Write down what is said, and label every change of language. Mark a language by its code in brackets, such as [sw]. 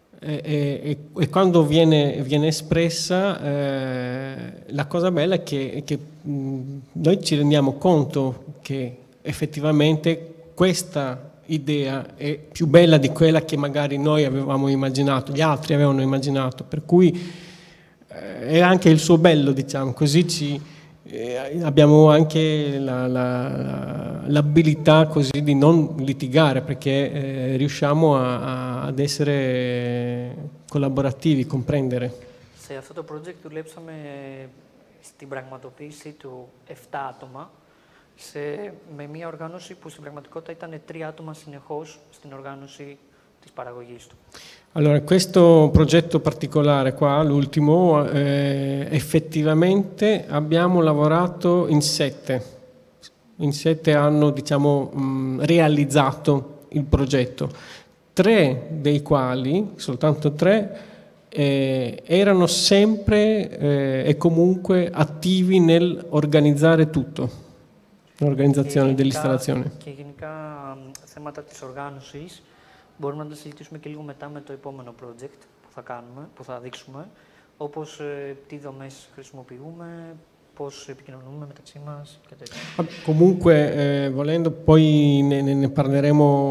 [it] E quando viene espressa, la cosa bella è che noi ci rendiamo conto che effettivamente questa idea è più bella di quella che magari noi avevamo immaginato, gli altri avevano immaginato, per cui è anche il suo bello, diciamo, così ci, abbiamo anche l'abilità così di non litigare, perché riusciamo ad essere collaborativi, comprendere. [el] Σε αυτό το project δουλέψαμε στην πραγματοποίηση του 7 άτομα με μια οργάνωση που στην πραγματικότητα ήταν 3 άτομα συνεχώς στην οργάνωση της παραγωγής του. [it] Allora, questo progetto particolare qua, l'ultimo, effettivamente abbiamo lavorato in 7. In 7 hanno, diciamo, realizzato il progetto. 3 dei quali, soltanto 3, erano sempre e comunque attivi nel organizzare tutto, l'organizzazione dell'installazione. [el] Και γενικά θέματα της οργάνωσης μπορούμε να τα συζητήσουμε και λίγο μετά με το επόμενο project που θα κάνουμε, που θα δείξουμε, όπως τι δομές χρησιμοποιούμε, πώς επικοινωνούμε μεταξύ μας και τέτοια. [it] Comunque, volendo, poi ne parleremo.